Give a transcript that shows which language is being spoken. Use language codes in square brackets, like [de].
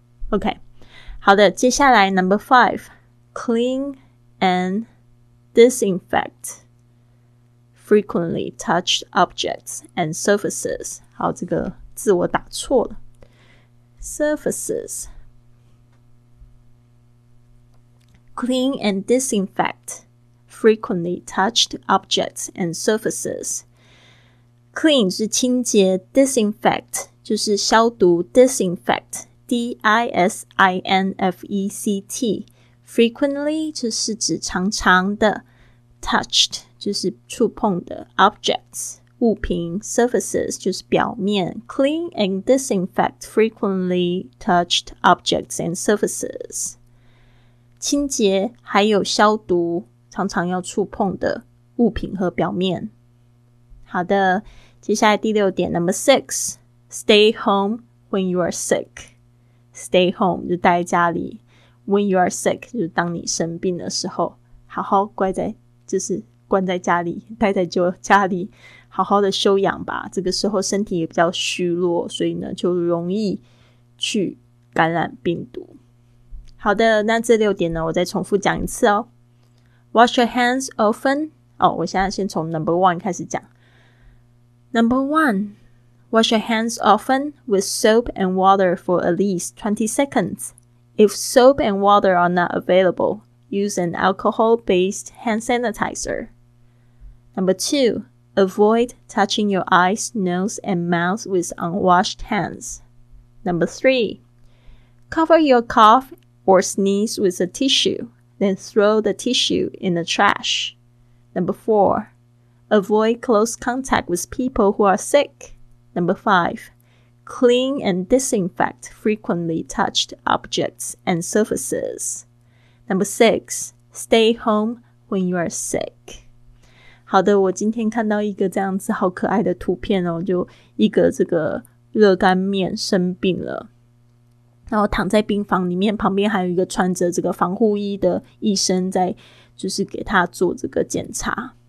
[en] OK， [zh] 好的，接下来 [en] Number 5， Clean and disinfect frequently touched objects and surfaces。 [zh] 好，这个字我打错了， surfaces。 [en] Clean and disinfectfrequently touched objects and surfaces。 [zh] clean 是清洁， disinfect 就是消毒， disinfect D-I-S-I-N-F-E-C-T frequently 就是指常常的， touched 就是触碰的， objects 物品， surfaces 就是表面。 [en] clean and disinfect frequently touched objects and surfaces， [zh] 清洁还有消毒常常要触碰的物品和表面。好的，接下来第六点 Number 6， [en] Stay home when you are sick。 [zh] Stay home 就待在家里， [en] When you are sick [zh] 就是当你生病的时候，好好乖在就是关在家里，待在家里好好的休养吧。这个时候身体也比较虚弱，所以呢就容易去感染病毒。好的，那这六点呢我再重复讲一次哦。 [en] Wash your hands often. [zh] 哦，我现在先从 number one 开始讲。 [en] Number one, wash your hands often with soap and water for at least 20 seconds. If soap and water are not available, use an alcohol-based hand sanitizer. Number two, avoid touching your eyes, nose, and mouth with unwashed hands. Number three, cover your cough or sneeze with a tissue. Then throw the tissue in the trash. Number 4. Avoid close contact with people who are sick. Number 5. Clean and disinfect frequently touched objects and surfaces. Number 6. Stay home when you are sick. [zh] 好的，我今天看到一个这样子好可爱的图片哦，就一个这个热干面生病了，然后躺在病房里面，旁边还有一个穿着这个防护衣的医生在就是给他做这个检查。